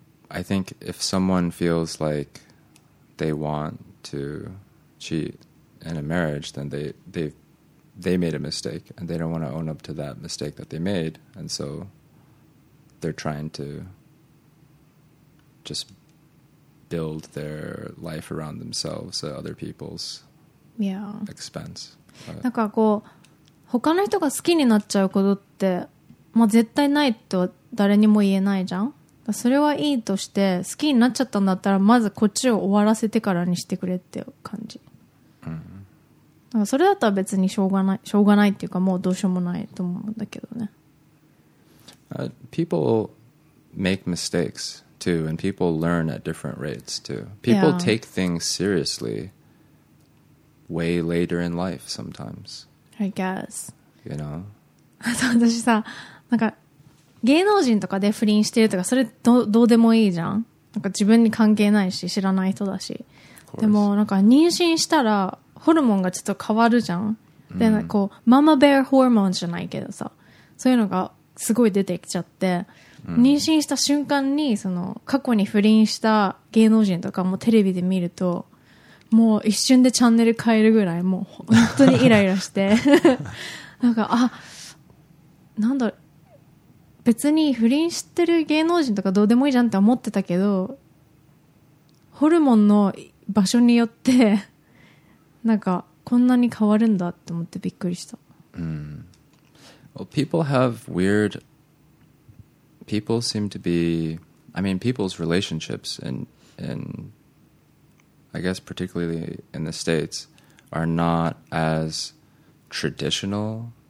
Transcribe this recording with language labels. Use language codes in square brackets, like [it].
[en] I think if someone feels like they want to cheat in a marriage, then they made a mistake, and they don't want to own up to that mistake that they made, and so they're trying to just build their life around themselves at other people's expense. [ja] なんかこう他の人が好きになっちゃうことって。まあ、絶対ないと誰にも言えないじゃん。それはいいとして、好きになっちゃったんだったらまずこっちを終わらせてからにしてくれって感じ、だからそれだったら別にしょうがないっていうか、もうどうしようもないと思うんだけどね。 [en] People make mistakes too, and people learn at different rates too. People take things seriously way later in life sometimes, I guess. You know? [ja] 私さ、なんか芸能人とかで不倫してるとか、それ どうでもいいじゃん、なんか自分に関係ないし知らない人だし。でもなんか妊娠したらホルモンがちょっと変わるじゃん、でなんかこうママベアホルモンじゃないけどさ、そういうのがすごい出てきちゃって、妊娠した瞬間にその過去に不倫した芸能人とかもテレビで見ると、もう一瞬でチャンネル変えるぐらいもう本当にイライラしてなんかあなんだ、別に不倫してる芸能人とかどうでもいいじゃんって思ってたけど、ホルモンの場所によってなんかこんなに変わるんだって思ってびっくりした。 [en] Well, people have weird, people seem to be, I mean, people's relationships in I guess particularly in the States are not as traditional.